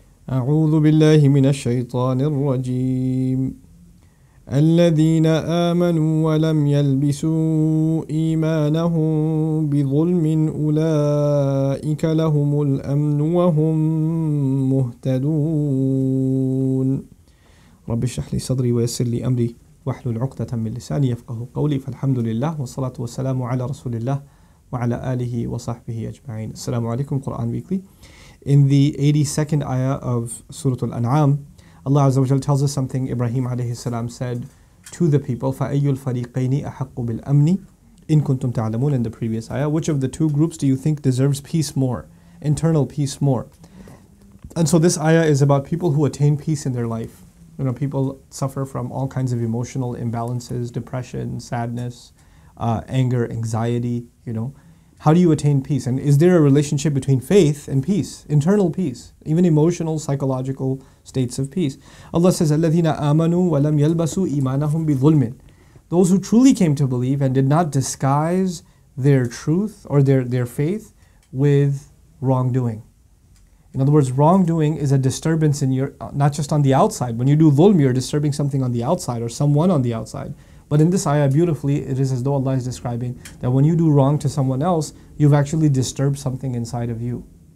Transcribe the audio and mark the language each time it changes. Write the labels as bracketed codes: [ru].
[ar] أعوذ بالله من الشيطان الرجيم الذين آمنوا ولم يلبسوا إيمانهم بظلم أولئك لهم الأمن وهم مهتدون رب اشرح لي صدري ويسر لي أمري واحلل عقدة من لساني يفقه قولي فالحمد لله والصلاة والسلام على رسول الله وعلى آله وصحبه أجمعين السلام عليكم قرآن ويكلي. [en] In the 82nd ayah of Surah Al-An'am, Allah Azza wa Jalla tells us something Ibrahim alayhi salam said to the people, [ar] فَأَيُّ الْفَرِيقَيْنِ أَحَقُّ بِالْأَمْنِ إِن كُنْتُمْ تَعْلَمُونَ. [en] In the previous ayah, which of the two groups do you think deserves peace more, internal peace more? And so this ayah is about people who attain peace in their life. You know, people suffer from all kinds of emotional imbalances, depression, sadness, anger, anxiety, you know. How do you attain peace? And is there a relationship between faith and peace? Internal peace, even emotional, psychological states of peace. Allah says, [ar] الَّذِينَ آمَنُوا وَلَمْ يَلْبَسُوا إِيمَانَهُمْ بِظُلْمٍ. [en] Those who truly came to believe and did not disguise their truth or their faith with wrongdoing. In other words, wrongdoing is a disturbance in your, not just on the outside. When you do dhulm, you're disturbing something on the outside or someone on the outside. But in this ayah, beautifully, it is as though Allah is describing that when you do wrong to someone else, you've actually disturbed something inside of you.